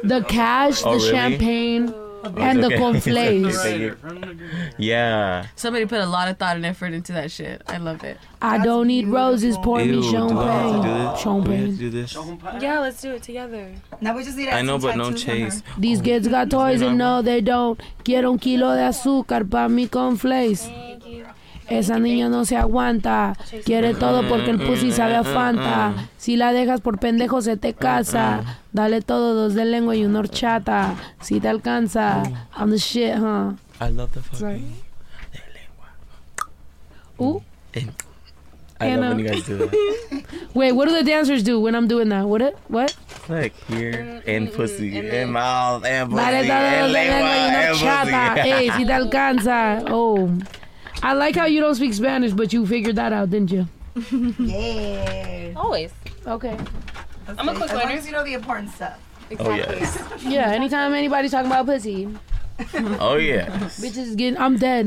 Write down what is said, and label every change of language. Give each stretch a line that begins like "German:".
English: The cash, the champagne, and the conflays. Yeah. Somebody put a lot of thought and effort into that shit. I love it. I don't need roses. Pour me champagne. Champagne. Do this. Yeah, let's do it together. Now we just need. I know, but no chase. These kids got toys, and no, they don't.
Spanish: Quiero un kilo de azúcar para mi conflays. Esa niña no se aguanta. Quiere todo porque el pussy sabe a Fanta. Si la dejas por pendejo, se te casa. Dale todo, dos de lengua y una horchata. Si te alcanza.
English: I'm the shit, huh? I love the fucking... Sorry.
Spanish: De lengua.
English: Ooh. I Anna. Love when you guys do that. Wait, what do the dancers do when I'm doing that? What? What? Like here and pussy and mouth and pussy.
Spanish: Dale todo, dos de lengua y una horchata. Hey, si te alcanza. Oh.
English: I like how you don't speak Spanish, but you figured that out, didn't you? Yeah. Always. Okay. That's I'm a quick learner. As you know the important stuff. Exactly. Oh, yes. Yeah, anytime anybody's talking about pussy. Oh, yes. Bitch is getting... I'm dead.